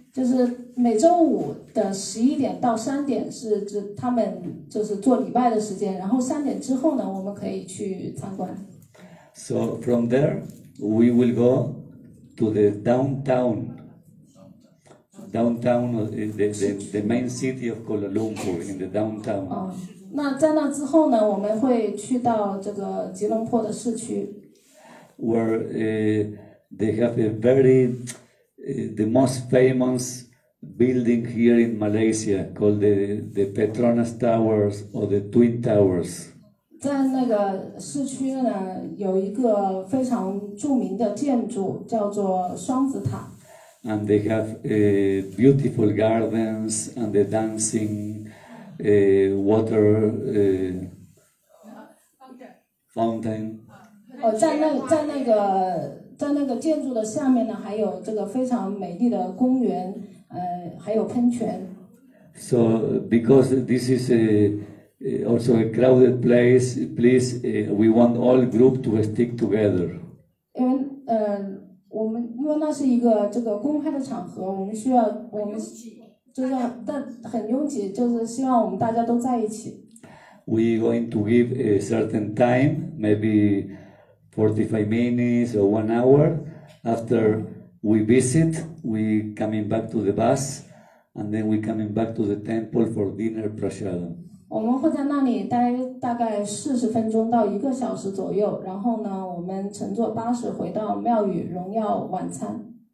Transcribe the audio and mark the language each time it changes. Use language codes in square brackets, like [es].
[zh] 就是每周五的11点到3点是他们就是做礼拜的时间，然后3点之后呢，我们可以去参观。 [en] So from there, we will go to the downtown. Downtown, the main city of Kuala Lumpur in the downtown. [zh] 那在那之后呢，我们会去到这个吉隆坡的市区。 [en] Where they have a very the most famous building here in Malaysia called the Petronas Towers or the Twin Towers. [zh] 在那个市区呢，有一个非常著名的建筑，叫做双子塔。 [en] And they have beautiful gardens and the dancing water fountain. [zh] 在那个建筑的下面呢，还有这个非常美丽的公园，还有喷泉。 [en] So because this is also a crowded place, please, we want all group to stick together. [zh] 因为那是一个这个公开的场合，我们就是但很拥挤，就是希望我们大家都在一起。 [en] We going to give a certain time, maybe 45 minutes or 1 hour. After we visit, we coming back to the bus, and then we coming back to the temple for dinner prasadam. [zh] 我们会在那里待大概40分钟到一个小时左右，然后呢，我们乘坐巴士回到庙宇荣耀晚餐。